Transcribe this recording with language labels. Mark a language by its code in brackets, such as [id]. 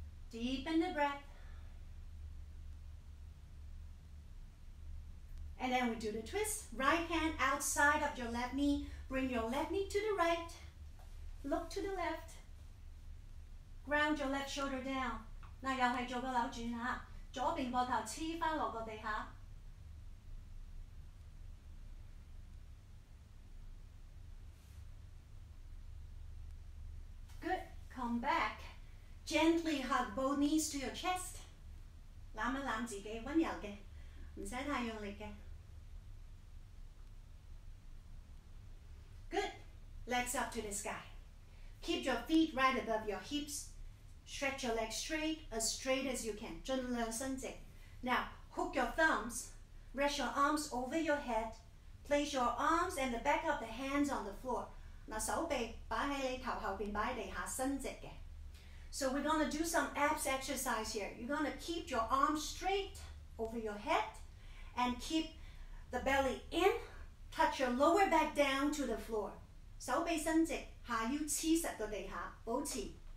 [en] Deep in the breath. And then we do the twist, right hand outside of your left knee, bring your left knee to the right, look to the left, ground your left shoulder down. [yue] 那又是做个扭转啊，左边膊头黐翻落个地下。 [en] Good, come back. Gently hug both knees to your chest. [yue] 揽一揽自己，温柔嘅，唔使太用力嘅。 [en] Good, legs up to the sky. Keep your feet right above your hips. Stretch your legs straight as you can. [yue] 尽量伸直. [en] Now, hook your thumbs. Rest your arms over your head. Place your arms and the back of the hands on the floor. [yue] 那手臂摆喺你头后边摆地下，伸直嘅. [en] So we're gonna do some abs exercise here. You're gonna keep your arms straight over your head and keep the belly in. Touch your lower back down to the floor. [yue] 手臂伸直，下腰黐实个地下，保持.